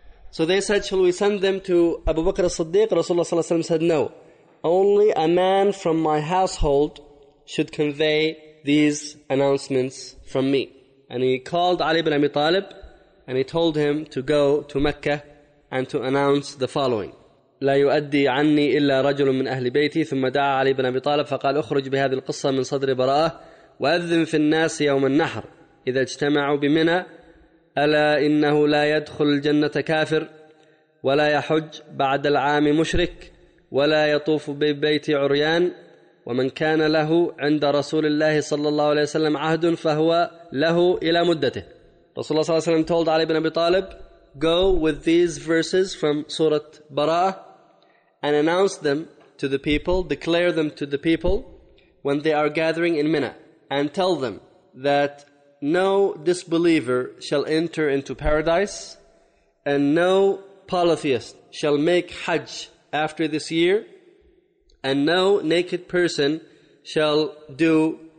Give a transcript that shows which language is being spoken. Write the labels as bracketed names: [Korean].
[English] So they said, shall we send them to Abu Bakr as-Siddiq? Rasulullah sallallahu alaihi wasallam said, no. Only a man from my household should convey these announcements from me. And he called Ali ibn Abi Talib and he told him to go to Mecca and to announce the following. [Arabic] لا يؤدي عني إلا رجل من أهل بيتي ثم دعا علي بن أبي طالب فقال أخرج بهذه القصة من صدر براءة وأذن في الناس يوم النحر إذا اجتمعوا بمنى ألا إنه لا يدخل الجنة كافر ولا يحج بعد العام مشرك ولا يطوف ببيت عريان ومن كان له عند رسول الله صلى الله عليه وسلم عهد فهو له إلى مدته. [English] رسول الله صلى الله عليه وسلم told Ali ibn Abi Talib, go with these verses from Surah Bara'ah and announce them to the people, declare them to the people when they are gathering in Mina, and tell them that no disbeliever shall enter into paradise and no polytheist shall make Hajj after this year, and no naked person shall do